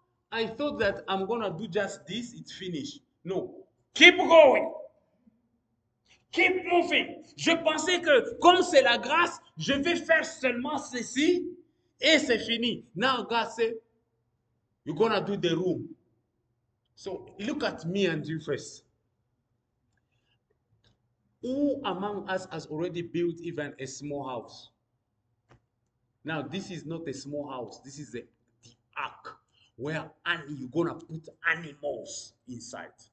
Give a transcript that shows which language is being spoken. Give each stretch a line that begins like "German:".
English: I thought that I'm going to do just this. It's finished. No. Keep going. Keep moving.
French: Je pensais que comme c'est la grâce, je vais faire seulement ceci et c'est fini.
English: Now God said, you're going to do the room. So look at me and you first. Who among us has already built even a small house? Now, this is not a small house. This is the ark where you're going to put animals inside.